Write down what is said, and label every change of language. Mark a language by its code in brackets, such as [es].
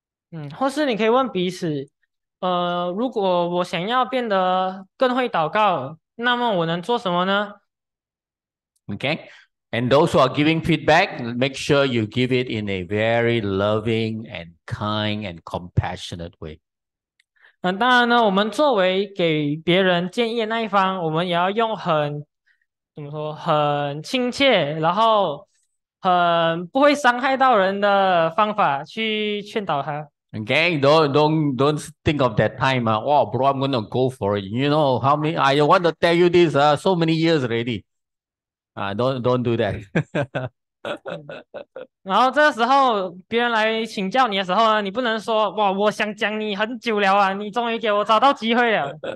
[zh] 嗯，或是你可以问彼此，如果我想要变得更会祷告，那么我能做什么呢？ [en] Okay, and those who are giving feedback, make sure you give it in a very loving and kind and compassionate way. [zh] 嗯，当然呢，我们作为给别人建议的那一方，我们也要用很，怎么说，很亲切，然后很不会伤害到人的方法去劝导他。 [en] Okay, don't think of that time. Wow, bro, I'm going to go for it. You know how many, I want to tell you this so many years already. Don't do that. [zh] 然后这个时候别人来请教你的时候呢，你不能说哇，我想讲你很久了啊，你终于给我找到机会了。